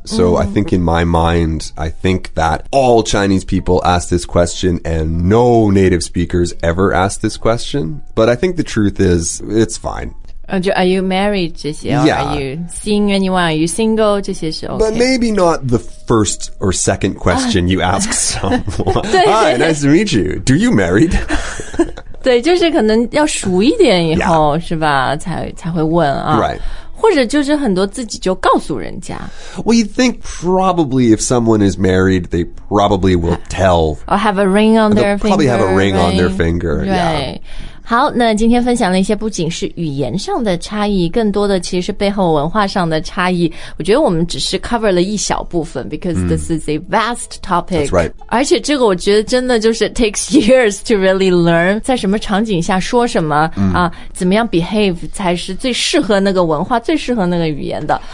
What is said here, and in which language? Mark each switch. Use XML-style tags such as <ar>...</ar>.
<en>So I think in my mind, I think that all Chinese people ask this question and no native speakers ever ask this question. But I think the truth is, it's fine. Are you married?</en> <zh>这些</zh> <en>yeah. Are you seeing anyone? Are you single?</en> <zh>这些是</zh> <en>OK. But maybe not the first or second question you ask someone. Hi, nice to meet you. Do you married?</en> <zh>对就是可能要熟一点以后、yeah. 是吧才会问啊。</zh> <en>Right.</en> <zh>或者就是很多自己就告诉人家。</zh> <en>Well, you think probably if someone is married, they probably will tell. Or have a ring on their finger. Probably have a ring on their finger. Right. Yeah.</en> <zh>好，那今天分享了一些不仅是语言上的差异，更多的其实是背后文化上的差异。我觉得我们只是 cover 了一小部分</zh> <en>because this is a vast topic. That's right.</en> <zh>而且这个我觉得真的就是</zh> <en>takes years to really learn</en> <zh>在什么场景下说什么、啊、怎么样 behave 才是最适合那个文化，最适合那个语言的。</zh>